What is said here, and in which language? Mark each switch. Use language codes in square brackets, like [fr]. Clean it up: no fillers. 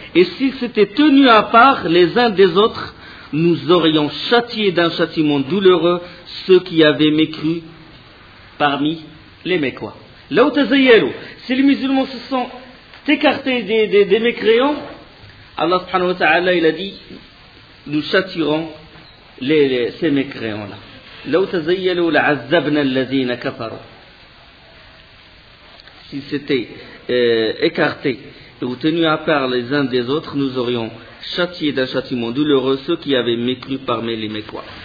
[fr] Et s'ils s'étaient tenus à part les uns des autres, nous aurions châtié d'un châtiment douloureux ceux qui avaient mécru parmi les Mécois. [ar] لو تزيلوا. [fr] Si les musulmans se sont écartés des mécréants, Allah subhanahu wa ta'ala, il a dit, nous châtirons ces mécréants-là. [ar] لو تزيلوا لعذبنا الذين كفروا. [fr] S'ils s'étaient écartés ou tenus à part les uns des autres, nous aurions châtié d'un châtiment douloureux ceux qui avaient mécru parmi les Mécois.